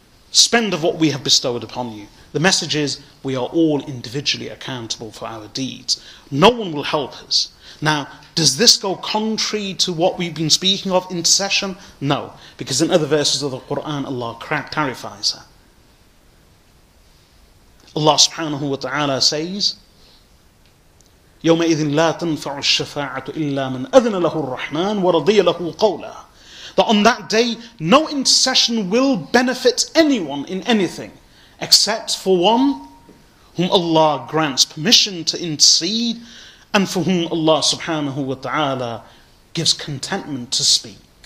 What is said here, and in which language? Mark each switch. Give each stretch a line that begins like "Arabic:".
English: Spend of what we have bestowed upon you. The message is, we are all individually accountable for our deeds. No one will help us. Now, does this go contrary to what we've been speaking of, intercession? No, because in other verses of the Quran, Allah clarifies that.
Arabic: Allah subhanahu wa ta'ala says, يَوْمَئِذٍ لَا تَنْفَعُ الشَّفَاعَةُ إِلَّا مَنْ أَذْنَ لَهُ الرَّحْمَنُ وَرَضِيَ لَهُ قَوْلًا.
English: That on that day, no intercession will benefit anyone in anything, except for one whom Allah grants permission to intercede, and for whom Allah subhanahu wa ta'ala gives contentment to speak.